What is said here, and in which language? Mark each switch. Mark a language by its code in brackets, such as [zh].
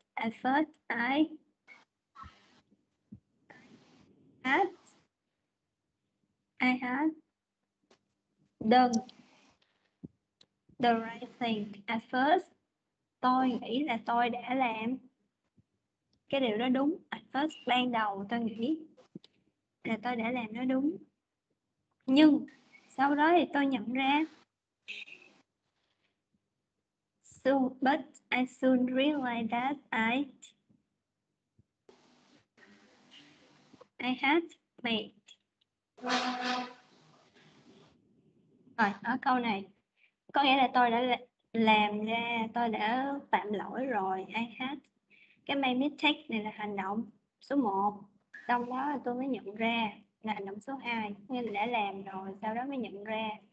[en] At first, I had done the right thing. At first, [vi] tôi nghĩ là tôi đã làm cái điều đó đúng. [en] At first, [vi] ban đầu tôi nghĩ là tôi đã làm nó đúng. Nhưng sau đó thì tôi nhận ra. [en] So, but I soon realized that I had made. [vi] Rồi, ở câu này có nghĩa là tôi đã làm ra, tôi đã phạm lỗi rồi. [en] I had. [vi] Cái made mistake này là hành động số 1. Sau đó tôi mới nhận ra là hành động số 2. Nên đã làm rồi, sau đó mới nhận ra.